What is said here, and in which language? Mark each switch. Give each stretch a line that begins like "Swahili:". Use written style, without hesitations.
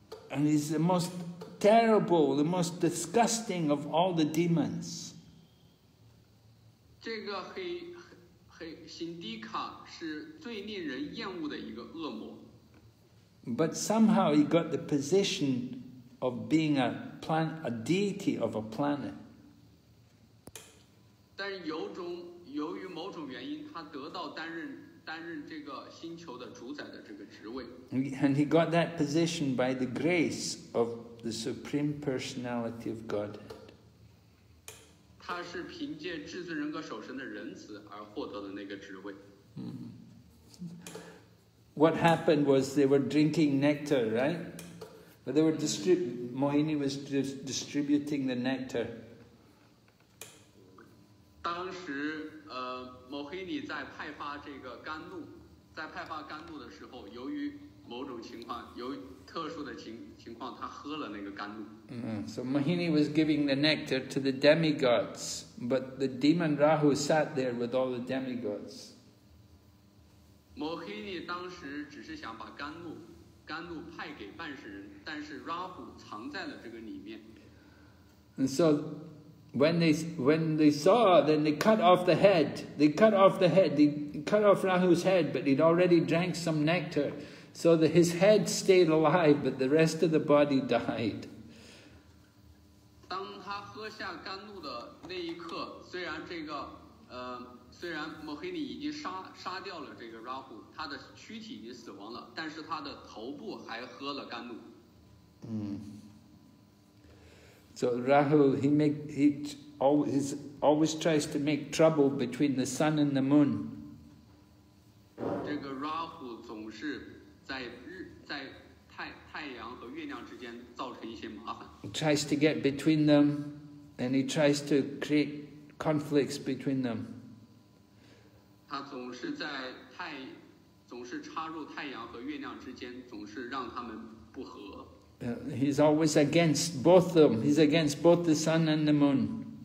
English: And he's the most terrible, the most disgusting of all the demons.
Chinese: 这个黑。Himdika 是最令人厌恶的一个恶魔。
English: But somehow he got the position of being a deity of a planet.
Chinese: 但由于某种原因，他得到担任这个星球的主宰的这个职位。
English: And he got that position by the grace of the Supreme Personality of God.
Chinese: 他是凭借至尊人格守神的仁慈而获得的那个职位。
English: What happened was they were drinking nectar, right? But they were Mohini was distributing the nectar.
Chinese: 当时Mohini 在派发这个甘露，在派发甘露的时候，由于某种情况，由于特殊的情况，他喝了那个甘露。
English: So Mohini was giving the nectar to the demigods, but the demon Rahu sat there with all the demigods.
Chinese: 摩黑尼当时只是想把甘露派给半神人，但是拉虎藏在了这个里面。
English: And so when they saw, then they cut off the head. They cut off the head. They cut off Rahu's head, but he'd already drank some nectar. So that his head stayed alive, but the rest of the body died.
Chinese: 当他喝下甘露的那一刻，虽然这个虽然摩黑尼已经杀掉了这个拉虎，他的躯体已经死亡了，但是他的头部还喝了甘露。嗯。
English: So Rahu, he always tries to make trouble between the sun and the moon.
Chinese: 这个 Rahu 总是在太阳和月亮之间造成一些麻烦。
English: He tries to get between them, and he tries to create conflicts between them.
Chinese: 他总是插入太阳和月亮之间，总是让他们不和。
English: He's always against both of them. He's against both the sun and the moon.